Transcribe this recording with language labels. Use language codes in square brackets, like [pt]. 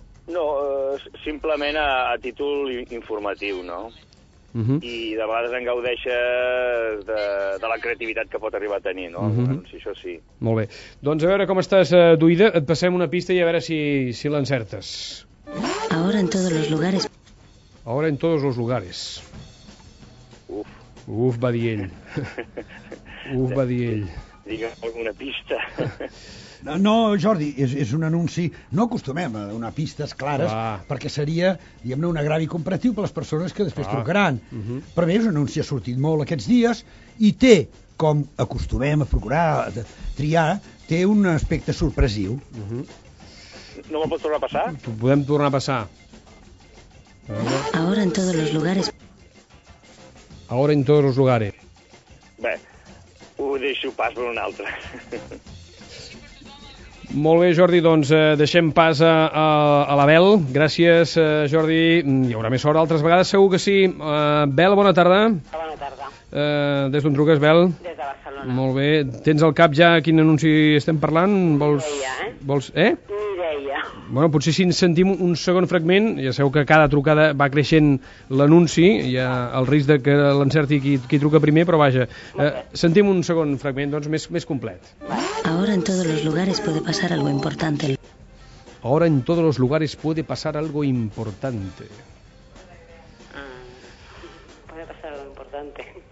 [ca] No, simplement a títol informatiu, no? I de vegades en gaudeixes de la creativitat que pot arribar a tenir, no? Sí, això sí. Molt bé. Doncs a veure com estàs duïda, et passem una pista i a veure si l'encertes. [es] Ahora en todos los lugares. Ahora en todos los lugares. Uf, [ca] va dir ell. Uf, va dir ell. Digue'm alguna pista. No, Jordi, és un anunci. No acostumem a donar pistes clares, perquè seria, diguem-ne, un agravi comparatiu per les persones que després trucaran. Però bé, és un anunci que ha sortit molt aquests dies i té, com acostumem a procurar, a triar, té un aspecte sorpresiu. No me'l pots tornar a passar? Ho podem tornar a passar. [es] Ahora en todos los lugares. Ahora en todos los lugares. [ca] Bé, ho deixo pas per un altre. Molt bé, Jordi, doncs deixem pas a l'Abel. Gràcies, Jordi. Hi haurà més hora altres vegades, segur que sí. Bel, bona tarda. Bona tarda. Des d'on truques, Bel? Des de Barcelona. Molt bé. Tens al cap ja quin anunci estem parlant? Vols? Mireia. Bueno, potser si ens sentim un segon fragment, ja sabeu que cada trucada va creixent l'anunci, hi ha el risc de que l'encerti qui truca primer, però vaja, sentim un segon fragment, doncs més complet. [es] Ahora en todos los lugares puede pasar algo importante. Ahora en todos los lugares puede pasar algo importante. Puede pasar algo importante.